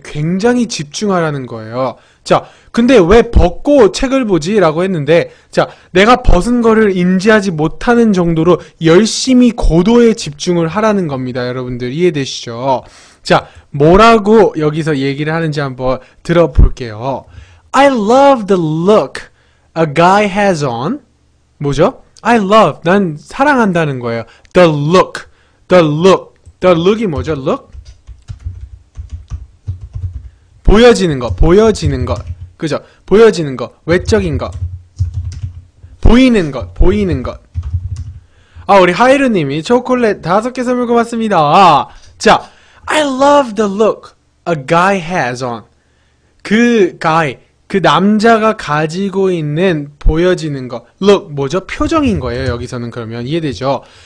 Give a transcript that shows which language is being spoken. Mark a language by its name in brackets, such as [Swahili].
[Korean] 굉장히 집중하라는 거예요. 자, 근데 왜 벗고 책을 보지? 라고 했는데, 자, 내가 벗은 거를 인지하지 못하는 정도로 열심히 고도의 집중을 하라는 겁니다. 여러분들, 이해되시죠? 자, 뭐라고 여기서 얘기를 하는지 한번 들어볼게요. [English] I love the look a guy has on. [Korean] 뭐죠? [English] I love, [Korean] 난 사랑한다는 거예요. [English] The look, the look. The look이 뭐죠? Look? [Korean] 보여지는 거, 보여지는 것. 그죠? 보여지는 거, 외적인 거. 보이는 것, 보이는 것. 아, 우리 하이루 님이 초콜릿 다섯 개 선물 고맙습니다. [English] 아, 자, I love the look a guy has on. [Korean] 그 guy, 그 남자가 가지고 있는 보여지는 거. Look, 뭐죠? 표정인 거예요. 여기서는 그러면 이해되죠?